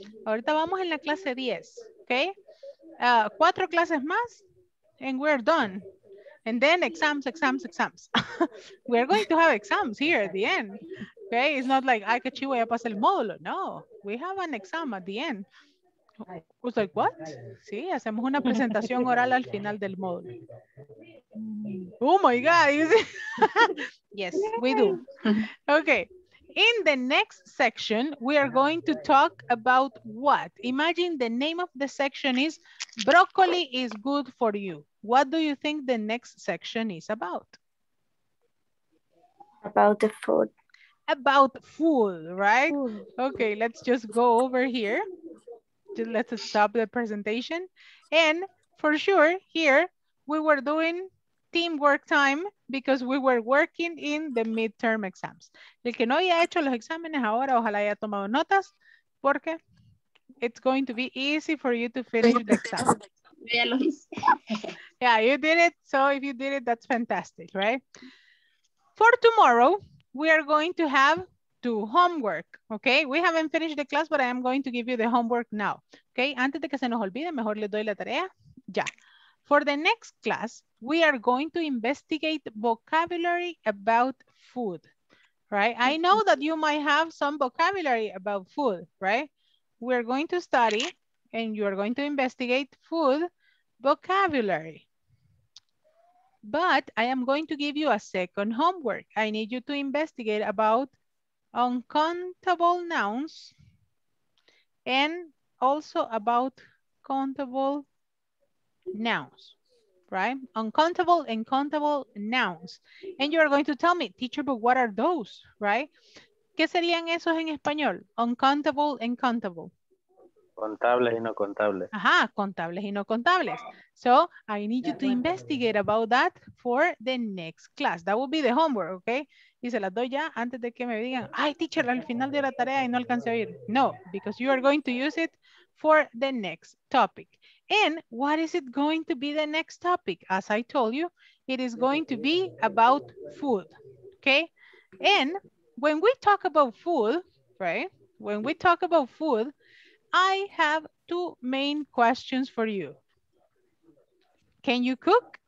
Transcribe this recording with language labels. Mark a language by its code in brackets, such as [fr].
[es] Ahorita vamos en la clase 10, okay? 4 clases más [en] and we're done. And then exams. We are going to have exams here at the end. Okay, it's not like, [es] ay, que chivo, ya pasé el módulo. [en] No, we have an exam at the end. Who's like, what? [es] Sí, hacemos una presentación oral al final del módulo. [en] Oh my God. Yes, we do. Okay, in the next section, we are going to talk about what? Imagine the name of the section is Broccoli is Good for You. What do you think the next section is about? About food, right? Food. Okay, let's just go over here. Let's stop the presentation. And for sure, here we were doing teamwork time because we were working in the midterm exams. [es] El que no haya hecho los exámenes ahora, ojalá haya tomado notas, porque [en] it's going to be easy for you to finish the exam. Yeah, you did it. So if you did it, that's fantastic, right? For tomorrow, we are going to have two homework, okay? We haven't finished the class, but I am going to give you the homework now, okay? [es] Antes de que se nos olvide, mejor les doy la tarea, ya. [en] For the next class, we are going to investigate vocabulary about food, right? I know that you might have some vocabulary about food, right? We are going to study and you are going to investigate food vocabulary. But I am going to give you a second homework. I need you to investigate about uncountable nouns and also about countable nouns, right? Uncountable and countable nouns. And you're going to tell me, teacher, but what are those, right? [es] ¿Qué serían esos en español? [en] Uncountable and countable. [es] Contables y no contables. Ajá, contables y no contables. [en] So I need you to investigate about that for the next class. That will be the homework, okay? [es] Y se las doy ya antes de que me digan, ay, teacher, al final de la tarea y no alcancé a oír. [en] No, because you are going to use it for the next topic. And what is it going to be the next topic? As I told you, it is going to be about food, okay? And when we talk about food, right? When we talk about food, I have two main questions for you. Can you cook?